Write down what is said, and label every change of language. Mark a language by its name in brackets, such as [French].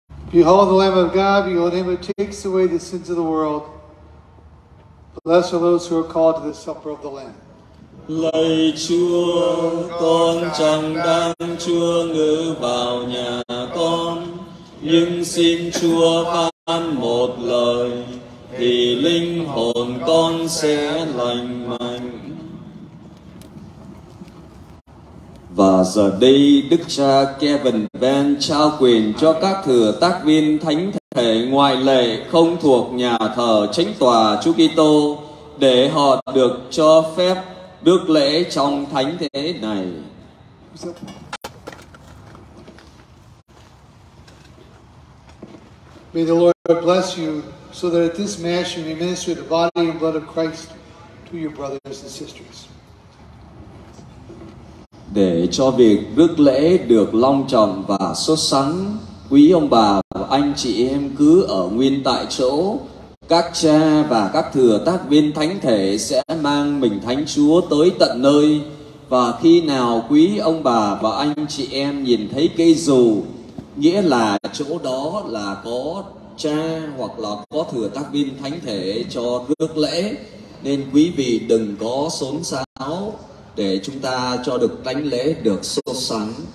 [English] Behold the Lamb of God, behold him who takes away the sins of the world. Blessed are those who are called to the supper of the Lamb. [Vietnamese] Lạy Chúa, con chẳng đáng Chúa ngự vào nhà con, nhưng xin Chúa ban một lời, thì linh hồn con sẽ lành mạnh. Và giờ đây, Đức cha Kevin Van trao quyền cho các thừa tác viên thánh thể ngoại lệ không thuộc nhà thờ chánh tòa Chúa Kitô để họ được cho phép đức lễ trong thánh thể này. [English] May the Lord bless you so that at this mass you may minister the body and blood of Christ to your brothers and sisters. [Vietnamese] Để cho việc rước lễ được long trọng và sốt sắng, quý ông bà và anh chị em cứ ở nguyên tại chỗ. Các cha và các thừa tác viên thánh thể sẽ mang mình Thánh Chúa tới tận nơi. Và khi nào quý ông bà và anh chị em nhìn thấy cây dù, nghĩa là chỗ đó là có cha hoặc là có thừa tác viên thánh thể cho rước lễ, nên quý vị đừng có xốn xáo để chúng ta cho được thánh lễ được sốt sắng.